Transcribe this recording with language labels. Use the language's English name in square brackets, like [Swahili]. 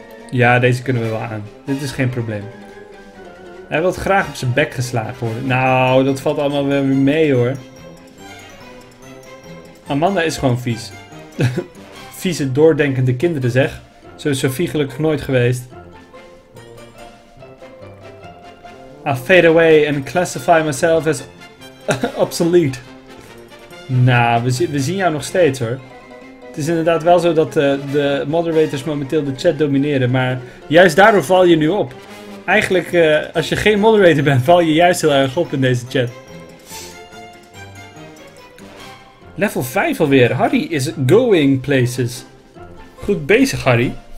[Dutch] Ja, deze kunnen we wel aan. Dit is geen probleem. Hij wil graag op zijn bek geslagen worden. Nou, dat valt allemaal weer mee, hoor. Amanda is gewoon vies. Vieze, doordenkende kinderen, zeg. Zo is Sophie gelukkig nooit geweest. [English] I fade away and classify myself as obsolete. [Dutch] Nou, we zien jou nog steeds, hoor. Het is inderdaad wel zo dat de moderators momenteel de chat domineren, maar juist daardoor val je nu op. Eigenlijk, als je geen moderator bent, val je juist heel erg op in deze chat. Level 5 alweer. [English] Harry is going places. [Dutch] Goed bezig, Harry.